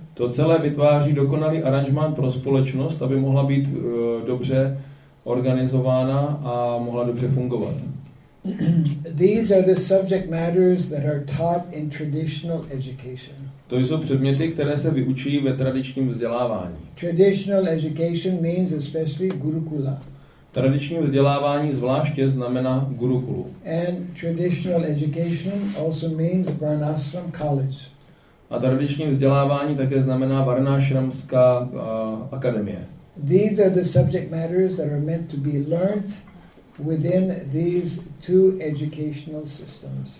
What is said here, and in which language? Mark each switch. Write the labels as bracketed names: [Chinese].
[Czech] To celé vytváří dokonalý aranžmán pro společnost, aby mohla být dobře organizována a mohla dobře fungovat. [English] These are the subject matters that are taught in traditional education. [Czech] To jsou předměty, které se vyučují ve tradičním vzdělávání. [English] Traditional education means especially gurukula. [Czech] Tradiční vzdělávání zvláště znamená gurukulu. [English] And traditional education also means varnashram college. [Czech] A tradiční vzdělávání také znamená varnashramská akademie. [English] These are the subject matters that are meant to be learned within these two educational systems.